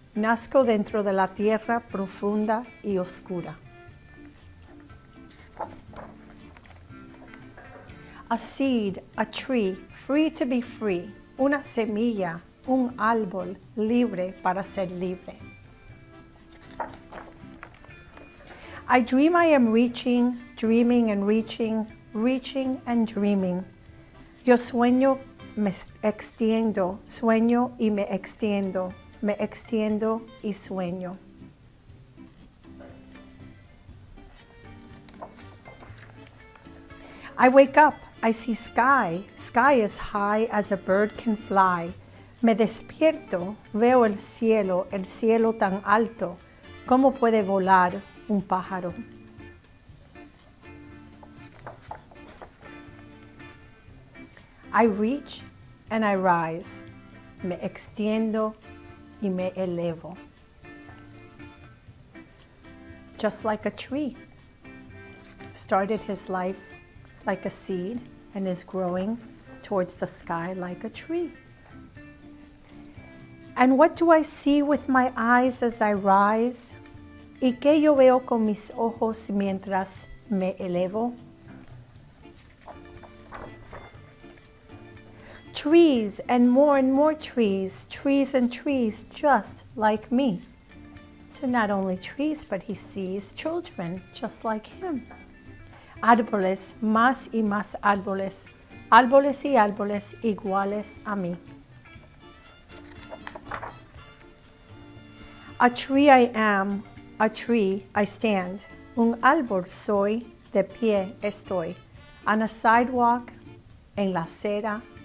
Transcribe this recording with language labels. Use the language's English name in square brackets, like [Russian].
[Spanish] Nazco dentro de la tierra profunda y oscura. [English] A seed, a tree, free to be free. [Spanish] Una semilla, un árbol, libre para ser libre. [English] I dream I am reaching, dreaming and reaching, reaching and dreaming. [Spanish] Yo sueño. Me extiendo, sueño y me extiendo y sueño. [English] I wake up, I see sky, sky as high as a bird can fly. [Spanish] Me despierto, veo el cielo tan alto, ¿cómo puede volar un pájaro? [English] I reach and I rise, [Spanish] me extiendo y me elevo, [English] just like a tree, started his life like a seed and is growing towards the sky like a tree. And what do I see with my eyes as I rise? [Spanish] ¿Y qué yo veo con mis ojos mientras me elevo? [English] Trees and more trees, trees and trees, just like me. So not only trees, but he sees children just like him. [Spanish] Árboles, más y más árboles, árboles y árboles iguales a mí. [English] A tree I am, a tree I stand. [Spanish] Un árbol soy, de pie estoy. [English] On a sidewalk, [Spanish] en la acera.